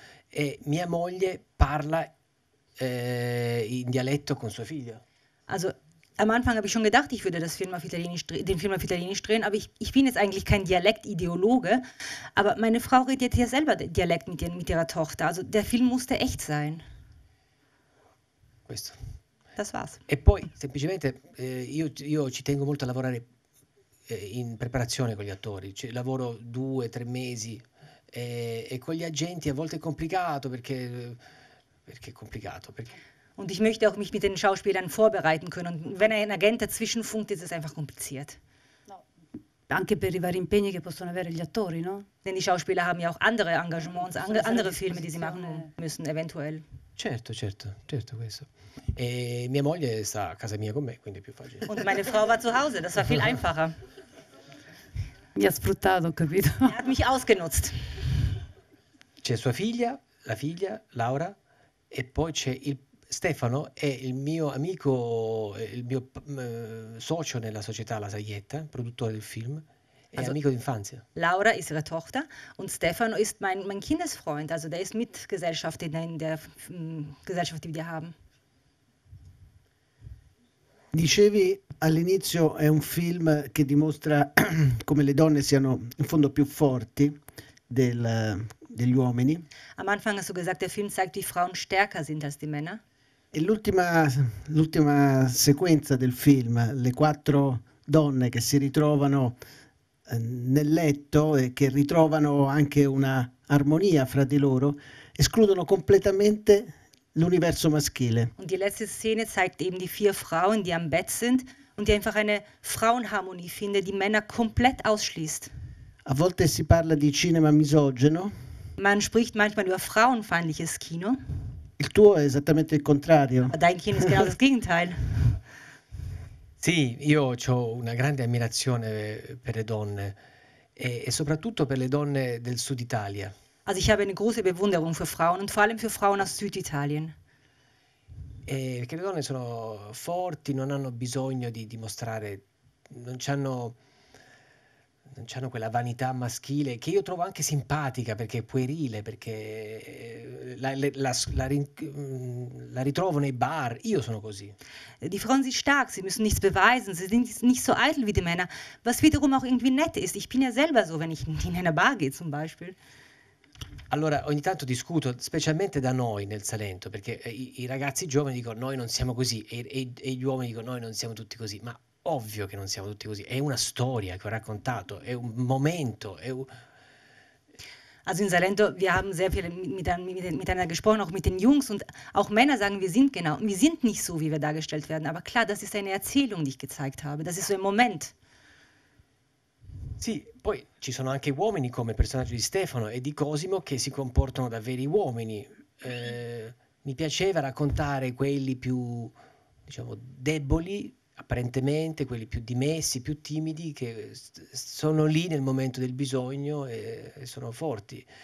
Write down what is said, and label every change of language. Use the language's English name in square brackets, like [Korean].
[Italian] E mia moglie parla in dialetto con suo figlio. [German] Also, am Anfang habe ich schon gedacht, ich würde das Film auf Italienisch, den Film auf Italienisch drehen, aber ich bin jetzt eigentlich kein Dialektideologe, aber meine Frau redet ja selber Dialekt mit ihrer Tochter. Also, der Film musste echt sein. [Italian] Questo. [German] Das war's. [Italian] E poi semplicemente io ci tengo molto a lavorare in preparazione con gli attori, cioè, lavoro 2-3 mesi e con gli agenti a volte è complicato perché è complicato. Perché... [German] Und ich möchte auch mich mit den Schauspielern vorbereiten können und wenn ein Agent dazwischen funkt, ist es einfach kompliziert. [Italian] No. Anche per i vari impegni che possono avere gli attori, no? [German] Denn die Schauspieler haben ja auch andere Engagements, andere Filme, die sie machen müssen, eventuell. [Italian] Certo, certo, certo questo. E mia moglie sta a casa mia con me, quindi è più facile. [German] Und meine Frau war zu Hause, das war viel einfacher. [Italian] Mi ha sfruttato, capito? [German] Er hat mich ausgenutzt. [Italian] C'è sua figlia, la figlia, Laura, e poi c'è il Stefano, è il mio amico, il mio socio nella società La Saietta, produttore del film. Also, amico d'infanzia. [German] Laura ist ihre Tochter und Stefano ist mein Kindesfreund, also der ist Mitgesellschafter in der Gesellschaft, die wir haben. [Italian] Dicevi all'inizio è un film che dimostra come le donne siano in fondo più forti degli uomini. [German] Am Anfang hast du gesagt, der Film zeigt, wie Frauen stärker sind als die Männer. [Italian] E l'ultima sequenza del film, le quattro donne che si ritrovano nel letto e che ritrovano anche una armonia fra di loro, escludono completamente l'universo maschile. [German] Und die letzte Szene zeigt eben die vier Frauen, die am Bett sind und die einfach eine Frauenharmonie finden, die Männer komplett ausschließt. [Italian] A volte si parla di cinema misogeno. [German] Man spricht manchmal über frauenfeindliches Kino. [Italian] Il tuo è esattamente il contrario. [German] Aber dein Kino ist genau das Gegenteil. [Italian] Sì, io ho una grande ammirazione per le donne e soprattutto per le donne del Sud Italia. [German] Also ich habe eine große Bewunderung für Frauen und vor allem für Frauen aus Süditalien. [Italian] Perché le donne sono forti, non hanno bisogno di dimostrare, non c'hanno quella vanità maschile che io trovo anche simpatica perché è puerile, perché la ritrovo nei bar, io sono così. [German] Die Frauen sind stark, sie müssen nichts beweisen, sie sind nicht so eitel wie die Männer, was wiederum auch irgendwie nett ist. Ich bin ja selber so, wenn ich in eine Bar gehe zum Beispiel. [Italian] Allora, ogni tanto discuto, specialmente da noi nel Salento, perché i ragazzi giovani dicono noi non siamo così e gli uomini dicono noi non siamo tutti così, ma ovvio che non siamo tutti così. È una storia che ho raccontato, è un momento. È un... [German] Also in Salento, wir haben sehr viel miteinander gesprochen, auch mit den Jungs. Und auch Männer sagen, wir sind genau, wir sind nicht so, wie wir dargestellt werden. Aber klar, das ist eine Erzählung, die ich gezeigt habe. Das ist so ein Moment. [Italian] Sì, poi ci sono anche uomini come il personaggio di Stefano e di Cosimo che si comportano da veri uomini. Mi piaceva raccontare quelli più, diciamo, deboli, apparentemente, quelli più dimessi, più timidi, che sono lì nel momento del bisogno e sono forti.